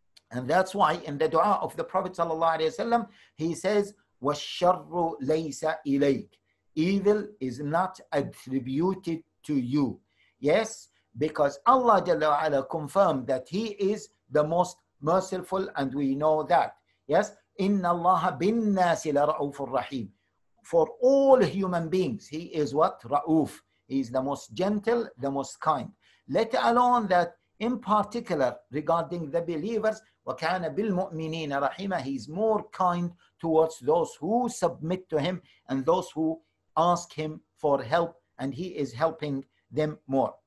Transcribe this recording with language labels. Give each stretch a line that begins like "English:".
English: And that's why in the dua of the Prophet sallallahu alayhi wa sallam, he says,
Arabic: وَالشَّرُّ لَيْسَ إِلَيْكَ.
English: Evil is not attributed to you. Yes, because Allah Jalla Ala confirmed that he is the most merciful, and we know that.
Arabic: Yes, إِنَّ اللَّهَ بِالنَّاسِ لَرَؤُوفُ الرَّحِيمُ.
English: For all human beings, he is what? Ra'uf. He is the most gentle, the most kind. Let alone that, in particular, regarding the believers,
Arabic: وَكَانَ بِالْمُؤْمِنِينَ رَحِيمًا.
English: He is more kind towards those who submit to him and those who ask him for help, and he is helping them more.